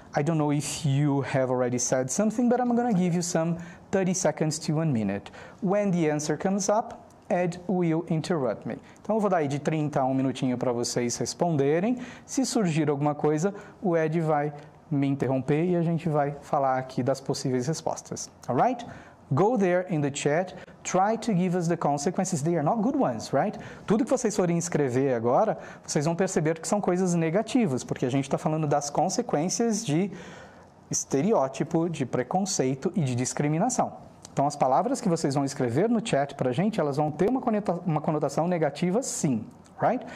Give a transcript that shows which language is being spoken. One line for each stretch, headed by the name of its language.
English: I don't know if you have already said something, but I'm going to give you some 30 seconds to 1 minute. When the answer comes up, Ed will interrupt me.
Portuguese: Então, eu vou dar aí de 30 a 1 minutinho para vocês responderem. Se surgir alguma coisa, o Ed vai me interromper e a gente vai falar aqui das possíveis respostas.
English: Alright? Go there in the chat, try to give us the consequences. They are not good ones, right?
Portuguese: Tudo que vocês forem escrever agora, vocês vão perceber que são coisas negativas, porque a gente está falando das consequências de estereótipo, de preconceito e de discriminação. Então, as palavras que vocês vão escrever no chat para a gente, elas vão ter uma conotação negativa, sim. Right?